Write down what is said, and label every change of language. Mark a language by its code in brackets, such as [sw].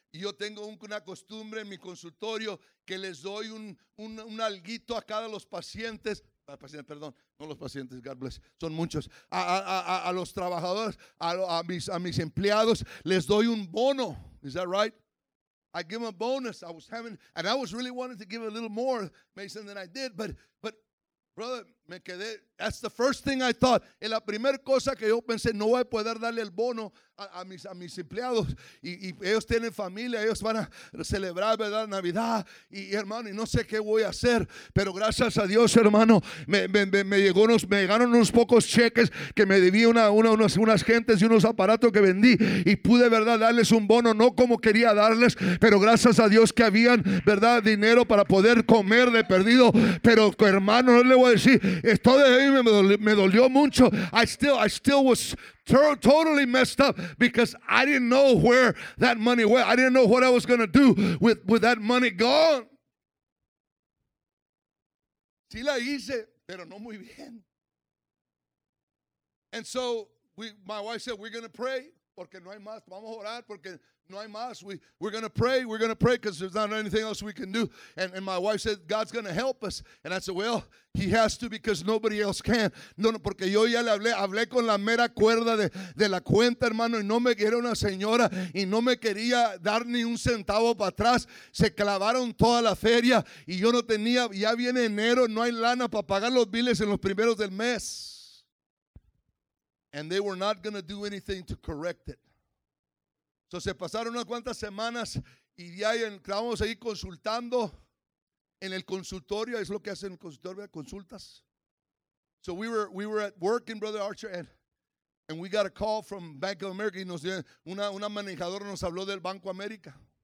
[es] Yo tengo una costumbre en mi consultorio que les doy un alguito a cada los pacientes. Perdón, no los pacientes, [en] God bless, [es] son muchos. A los trabajadores, a mis empleados, les doy un bono. [en] Is that right? I give them a bonus. I was having, and I was really wanting to give a little more, Mason, than I did. But brother, [es] Me quedé, [en] that's the first thing I thought. [es] Es la primera cosa que yo pensé, no voy a poder darle el bono a mis empleados. Y ellos tienen familia, ellos van a celebrar, ¿verdad?, Navidad. Y hermano, y no sé qué voy a hacer. Pero gracias a Dios, hermano, me llegaron unos pocos cheques que me debía unas gentes y unos aparatos que vendí. Y pude, ¿verdad?, darles un bono, no como quería darles, pero gracias a Dios que habían, ¿verdad?, dinero para poder comer de perdido. Pero hermano, no le voy a decir, esto de mí me dolió mucho. [en] I still was totally messed up because I didn't know where that money went. I didn't know what I was going to do with that money gone. [es] Sí la hice, pero no muy bien. [en] And so my wife said, we're going to pray [es] porque no hay más. Vamos a orar porque no hay más. [en] We're going to pray. We're going to pray because there's not anything else we can do. And my wife said, God's going to help us. And I said, well, he has to because nobody else can. [es] No, porque yo ya le hablé con la mera cuerda de la cuenta, hermano, y no me quería una señora y no me quería dar ni un centavo para atrás. Se clavaron toda la feria y yo no tenía, ya viene enero, no hay lana para pagar los biles en los primeros del mes. [en] And they were not going to do anything to correct it. [es] So se pasaron unas cuantas semanas y ya estábamos ahí consultando en el consultorio. Es lo que hacen en el consultorio, consultas. [en] So we were at work in Brother Archer and we got a call from Bank of America. [es] Y nos dio una manejadora nos habló del Banco América.